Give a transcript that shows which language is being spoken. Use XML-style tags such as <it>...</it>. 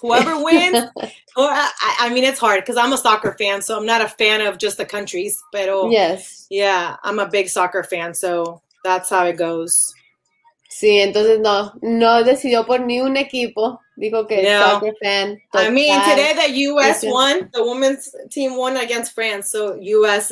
<en>Whoever wins, it's hard because I'm a soccer fan, so I'm not a fan of just the countries.</en> <es>Pero</es> <en>yes. Yeah, I'm a big soccer fan, so that's how it goes.</en> <es>Sí, entonces no decidió por ni un equipo. Dijo que no. Soccer fan.</es> <en>Total. I mean, today the U.S. won, the women's team won against France, so U.S.</en>